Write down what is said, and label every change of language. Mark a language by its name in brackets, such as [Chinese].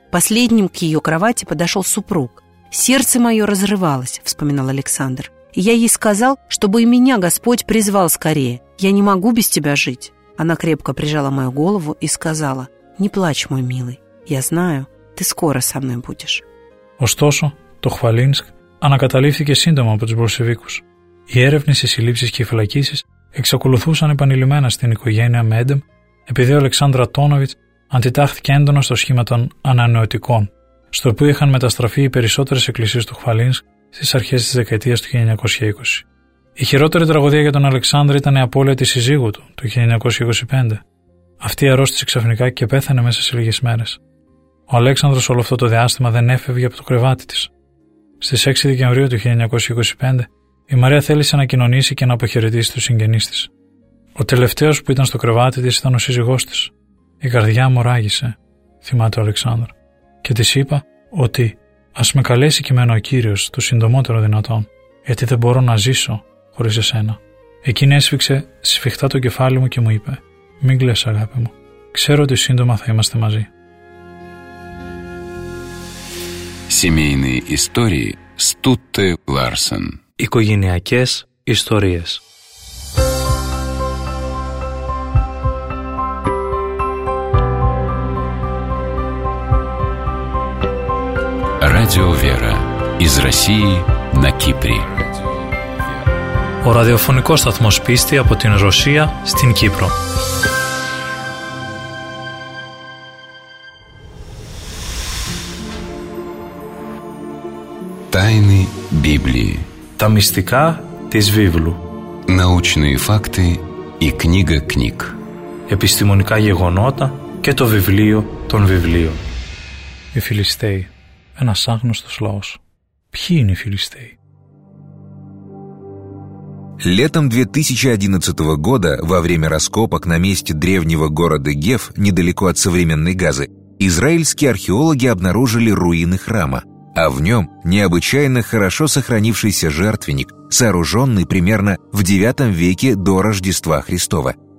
[Russian] Последним к ее кровати подошел супруг. «Сердце мое разрывалось», — вспоминал Александр. «Я ей сказал, чтобы и меня Господь призвал скорее. Я не могу без тебя жить». Она крепко прижала мою голову и сказала: «Не плачь, мой милый, я знаю, ты скоро со мной будешь». [Greek] Ωστόσο, το Χβαλίνσκ ανακαταλήφθηκε σύντομα από τους Μπολσεβίκους. Οι έρευνες, οι συλλήψεις και οι φυλακίσεις εξακολουθούσαν επανειλημμένα στην οικογένεια Μέντεμ, επειδή ο Αλεξάνδρ Αττόνοβιτς αντιτάχθηκε έντονα στο σχήμα των ανανεωτικών, στο οποίο είχαν μεταστραφεί οι περισσότερες εκκλησίες του Χβαλίνσκ στις αρχές της δεκαετίας του 1920. Η χειρότερη τραγωδία για τον Αλεξάνδρ ήταν η απώλεια της σύζυγου του το 1925. Αυτή αρρώστησε ξαφνικά και πέθανε μέσα σε λίγες μέρες. Ο Αλέξανδρος όλο αυτό το διάστημα δεν έφευγε από το κρεβάτι της. Στις 6 Δεκεμβρίου του 1925 η Μαρία θέλησε να κοινωνήσει και να αποχαιρετήσει τους συγγενείς της. Ο τελευταίος που ήταν στο κρεβάτι της ήταν ο σύζυγός της. «Η καρδιά μου ράγησε», θυμάται ο Αλεξάνδρ, και της είπα ότι «ας με καλέσει κειμένο ο Κύριος το συντομότερο δυνατόν, γιατί δεν μπορώ να ζήσω χωρίς εσένα». Εκείνη έσφιξε σφιχτά το κεφάλι μου και μου είπε: «Μην κλαις, αγάπη μου. Ξέρω ότι σύντομα θα είμαστε μαζί». [Russian] Семейные истории Стутте Ларсен. [Greek] Οικογενειακές ιστορίες. [Russian] Радио Вера. Из России на Кипре. [Greek] Ο ραδιοφωνικός σταθμός πίστη από την Ρωσία στην Κύπρο. [Russian] Тайны Библии. [Greek] Τα μυστικά της Βίβλου. [Russian] Научные факты и книга книг. [Greek] Επιστημονικά γεγονότα και το βιβλίο των βιβλίων. Οι Φιλιστέοι. Ένας άγνωστος λαός. Ποιοι είναι οι Φιλιστέοι? [Russian] Летом 2011 года, во время раскопок на месте древнего города Геф, недалеко от современной Газы, израильские археологи обнаружили руины храма, а в нем необычайно хорошо сохранившийся жертвенник, сооруженный примерно в IX веке до Рождества Христова.